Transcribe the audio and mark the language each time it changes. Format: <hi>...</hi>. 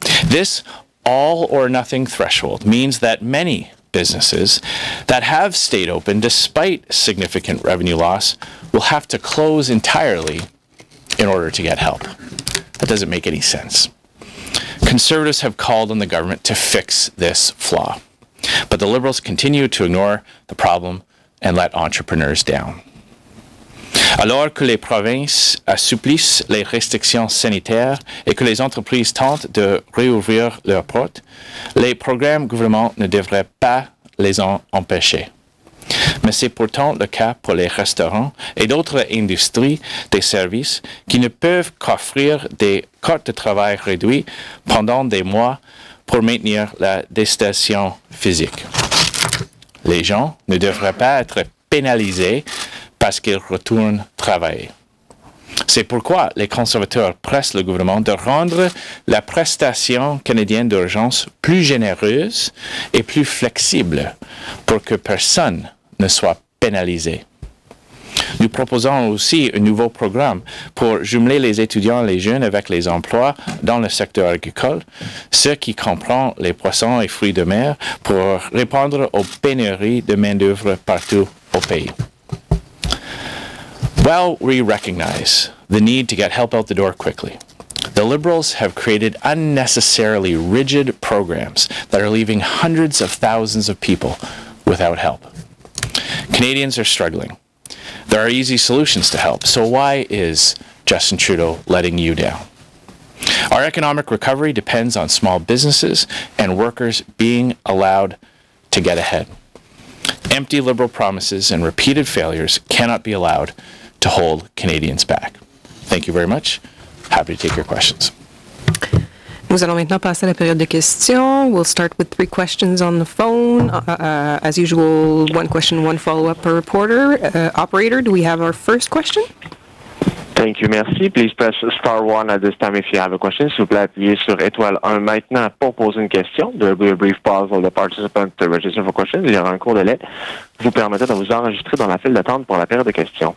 <en>This all-or-nothing threshold means that many businesses that have stayed open despite significant revenue loss will have to close entirely in order to get help. That doesn't make any sense. Conservatives have called on the government to fix this flaw. But the Liberals continue to ignore the problem and let entrepreneurs down.</en> <fr>Alors que les provinces assouplissent les restrictions sanitaires et que les entreprises tentent de réouvrir leurs portes, les programmes gouvernementaux ne devraient pas les en empêcher. Mais c'est pourtant le cas pour les restaurants et d'autres industries des services qui ne peuvent qu'offrir des cartes de travail réduites pendant des mois pour maintenir la distanciation physique. Les gens ne devraient pas être pénalisés parce qu'ils retournent travailler. C'est pourquoi les conservateurs pressent le gouvernement de rendre la prestation canadienne d'urgence plus généreuse et plus flexible pour que personne ne soit pénalisé. Nous proposons aussi un nouveau programme pour jumeler les étudiants et les jeunes avec les emplois dans le secteur agricole, ce qui comprend les poissons et fruits de mer pour répondre aux pénuries de main-d'œuvre partout au pays.</fr> <en>While we recognize the need to get help out the door quickly, the Liberals have created unnecessarily rigid programs that are leaving hundreds of thousands of people without help. Canadians are struggling. There are easy solutions to help, so why is Justin Trudeau letting you down? Our economic recovery depends on small businesses and workers being allowed to get ahead. Empty Liberal promises and repeated failures cannot be allowed to hold Canadians back. Thank you very much. Happy to take your questions.</en> <fr>Nous allons maintenant passer à la période de questions.</fr> <en>We'll start with three questions on the phone. As usual, one question, one follow-up per reporter. Operator, do we have our first question? Thank you,</en> <fr>merci.</fr> <en>Please press star one at this time if you have a question.</en> <fr>S'il vous plaît, appuyez sur étoile 1 maintenant pour poser une question.</fr> <en>There will be a brief pause while the participant to register for questions.</en> <fr>Il y aura un court délai. Vous permettez de vous enregistrer dans la file d'attente pour la période de questions.</fr>